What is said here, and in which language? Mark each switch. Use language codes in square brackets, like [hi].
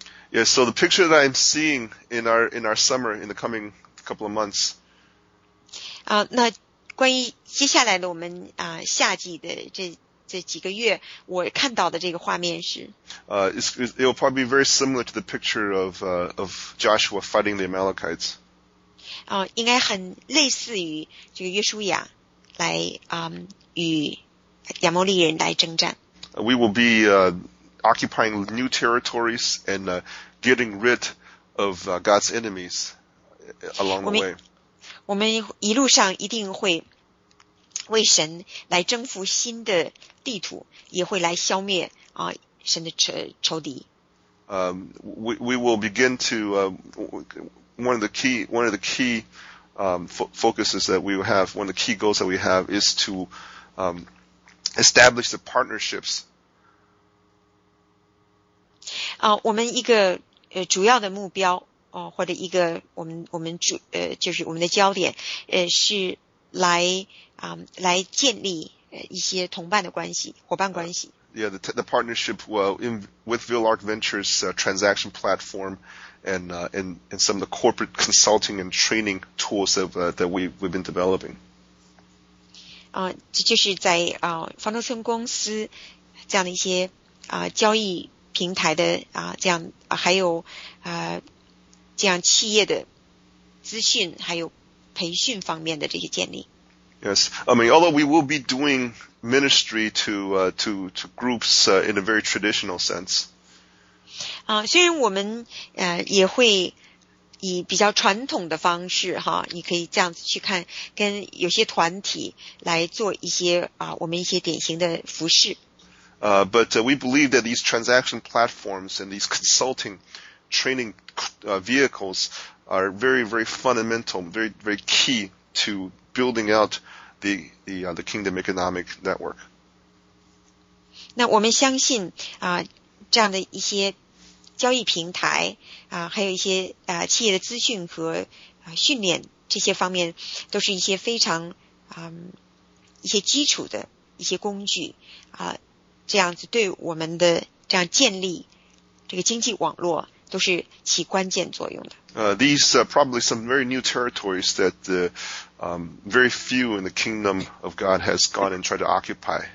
[en] Yeah, so the picture that I'm seeing in our summer in the coming couple of months. [zh] 那关于接下来的我们夏季的这几个月，我看到的这个画面是。 [en] It will probably be very similar to the picture of Joshua fighting the Amalekites. [zh] 应该很类似于这个约书亚来与亚摩利人来征战。 [en] We will be occupying new territories and getting rid of God's enemies along the way. [zh] 我们一路上一定会为神来征服新的地图，也会来消灭神的仇敌。 [en] We will begin to one of the key goals that we have is to establish the partnerships. [zh] 我们一个主要的目标或者一个我们主就是我们的焦点是来来建立一些同伴的关系，伙伴关系。 [en] Yeah, the partnership with Villark Ventures transaction platform and some of the corporate consulting and training tools that we've been developing. [zh] 这就是在方舟村公司这样的一些交易平台的这样还有这样企业的资讯还有培训方面的这些建立。 [en] Yes, I mean, although we will be doing ministry to groups in a very traditional sense. [zh] 虽然我们也会以比较传统的方式哈，你可以这样子去看，跟有些团体来做一些我们一些典型的服事。 [en] But we believe that these transaction platforms and these consulting training vehicles are very, very fundamental, very, very key to building out the Kingdom Economic Network. [zh] 那我们相信这样的一些交易平台还有一些企业的资讯和训练，这些方面都是一些非常一些基础的一些工具这样子对我们的这样建立这个经济网络都是起关键作用的。 [en] These are probably some very new territories that very few in the kingdom of God has gone and tried to occupy.